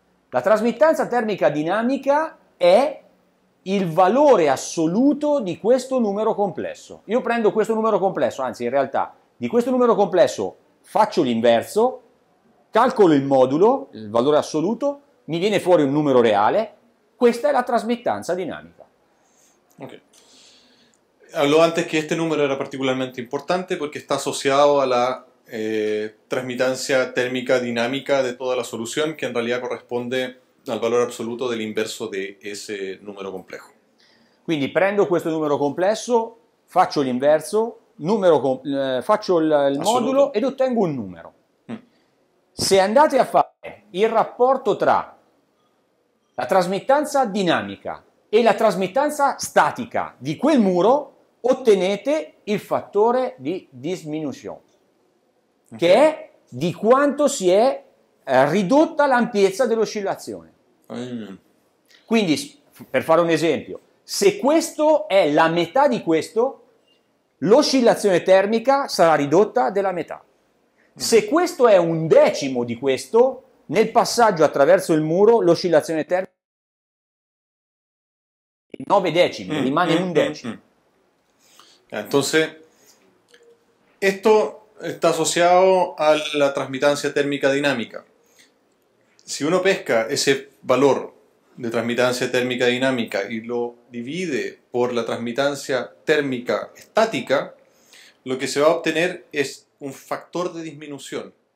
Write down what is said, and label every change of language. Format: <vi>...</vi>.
<it>La trasmittanza termica dinamica è il valore assoluto di questo numero complesso. Io prendo questo numero complesso, anzi in realtà di questo numero complesso faccio l'inverso, calcolo il modulo, il valore assoluto, mi viene fuori un numero reale, questa è la trasmittanza dinamica. Ok.</it> <es>Hablo antes que este número era particularmente importante porque está asociado a la transmitancia térmica dinámica de toda la solución, que en realidad corresponde al valor absoluto</es> <it>dell'inverso</it> <es>de ese número complejo.</es> <it>Quindi prendo questo numero complesso, faccio l'inverso, faccio il modulo Assoluto. ed ottengo un numero. Se andate a fare il rapporto tra la trasmittanza dinamica e la trasmittanza statica di quel muro, ottenete il fattore di diminuzione, che è di quanto si è ridotta l'ampiezza dell'oscillazione. Quindi, per fare un esempio, se questo è la metà di questo, l'oscillazione termica sarà ridotta della metà. Se questo è un decimo di questo, nel passaggio attraverso il muro, l'oscillazione termica è 9 decimi, rimane un decimo.</it> <es>Entonces, esto está asociado a la transmitancia térmica dinámica. Si uno pesca ese valor de transmitancia térmica dinámica y lo divide por la transmitancia térmica estática, lo que se va a obtener es un factor de disminución.</es>